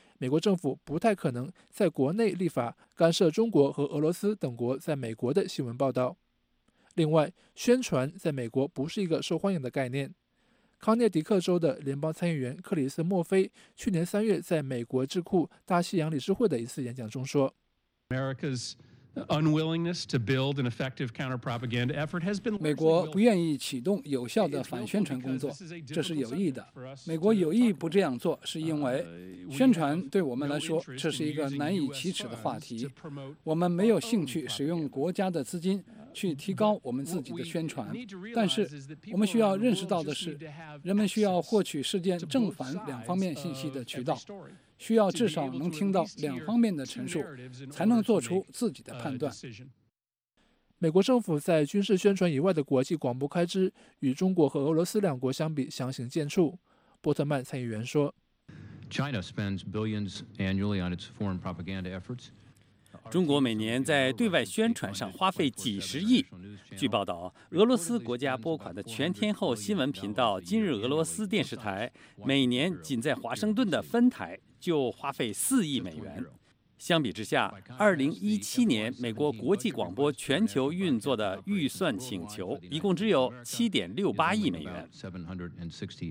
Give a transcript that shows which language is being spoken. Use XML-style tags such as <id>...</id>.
<zh>美国政府不太可能在国内立法干涉中国和俄罗斯等国在美国的新闻报道。另外，宣传在美国不是一个受欢迎的概念。康涅狄克州的联邦参议员克里斯·墨菲去年3月在美国智库大西洋理事会的一次演讲中说，</zh> <en>America's unwillingness to build an effective counter-propaganda effort has been</en> <zh>美国不愿意启动有效的反宣传工作，这是有意的。美国有意不这样做，是因为宣传对我们来说，这是一个难以启齿的话题。我们没有兴趣使用国家的资金去提高我们自己的宣传，但是我们需要认识到的是，人们需要获取事件正反两方面信息的渠道，需要至少能听到两方面的陈述，才能做出自己的判断。美国政府在军事宣传以外的国际广播开支，与中国和俄罗斯两国相比，相形见绌。波特曼参议员说</zh> <en>：“China spends billions annually on its foreign propaganda efforts.”</en> <zh>中国每年在对外宣传上花费几十亿。据报道，俄罗斯国家拨款的全天候新闻频道今日俄罗斯电视台每年仅在华盛顿的分台就花费$4亿。相比之下，2017年美国国际广播全球运作的预算请求一共只有$7.68亿。</zh>